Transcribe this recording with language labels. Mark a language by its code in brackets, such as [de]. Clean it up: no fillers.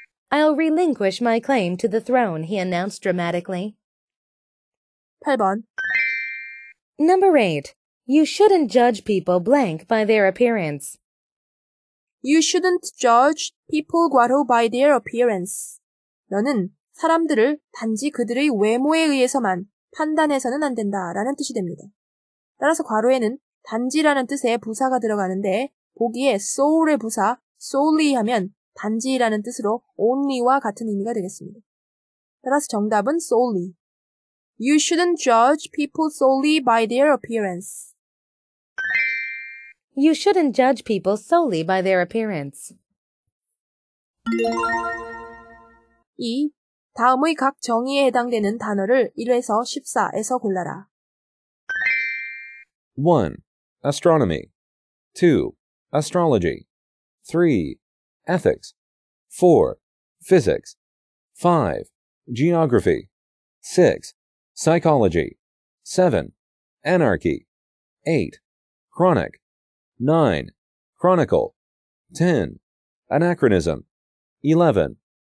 [en] I'll relinquish my claim to the throne, he announced dramatically. [ko] 8번 [en] Number 8. You shouldn't judge people blank by their appearance. You shouldn't judge people Guaro by their appearance. [ko] 너는 사람들을 단지 그들의 외모에 의해서만 판단해서는 안 된다 라는 뜻이 됩니다. 따라서 과로에는 단지라는 뜻의 부사가 들어가는데 보기에 soul의 부사 solely 하면 단지라는 뜻으로 only와 같은 의미가 되겠습니다. 따라서 정답은 solely. [en] You shouldn't judge people solely by their appearance. You shouldn't judge people solely by their appearance. 2. [ko] 다음의 각 정의에 해당되는 단어를 1에서 14에서 골라라. [en] 1. Astronomy. 2. Astrology. 3. Ethics. 4. Physics. 5. Geography. 6. Psychology. 7. Anarchy. 8. Chronic. 9. Chronicle. 10. Anachronism. 11.